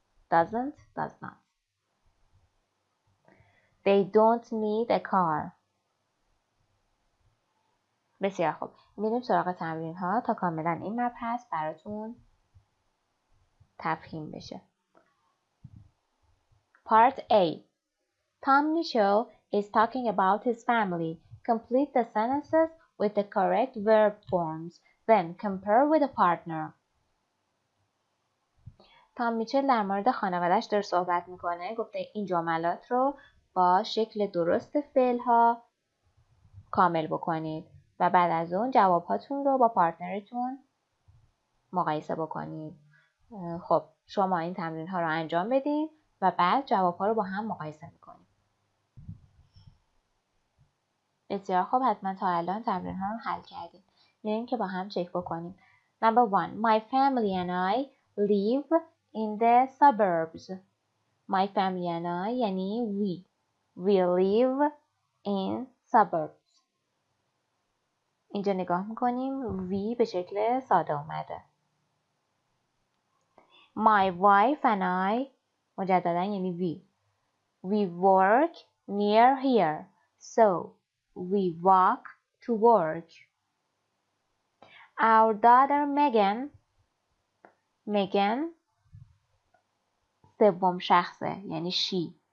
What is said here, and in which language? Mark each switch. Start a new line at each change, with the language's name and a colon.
English: Doesn't does not. They don't need a car.
Persian: بسیار خوب. میریم سراغ تمرین ها تا کاملا این مبحث براتون تفهیم بشه.
English: Part A. Tom Mitchell is talking about his family. Complete the sentences with the correct verb forms. then compare with a partner.
Persian: تام میچل در مورد خانوادش داره صحبت میکنه. گفته این جملات رو با شکل درست فعل ها کامل بکنید و بعد از اون جواب هاتون رو با پارتنرتون مقایسه بکنید. خب شما این تمرین ها رو انجام بدید و بعد جواب ها رو با هم مقایسه میکنید. بسیار خوب، حتما تا الان تمرین ها رو حل کردیم. میریم که با هم چک بکنیم.
English: Number one, my family and I live in the suburbs. My family and I یعنی we live in suburbs.
Persian: اینجا نگاه میکنیم we به شکل ساده اومده.
English: My wife and I مجددا یعنی we work near here. So we walk to work. Our daughter Megan
Persian: سوم شخصه یعنی
English: she.